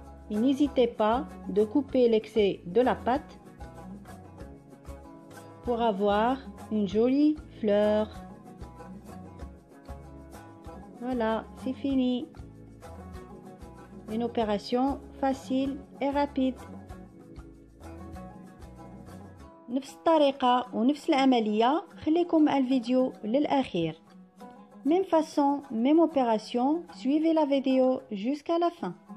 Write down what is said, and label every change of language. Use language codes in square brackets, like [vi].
[fr] Et n'hésitez pas de couper l'excès de la pâte pour avoir une jolie fleur. Voilà, c'est fini. Une opération facile et rapide. [ar] نفس الطريقة ونفس العملية خليكم على الفيديو للأخير. [fr] Même façon, même opération, suivez la vidéo jusqu'à la fin.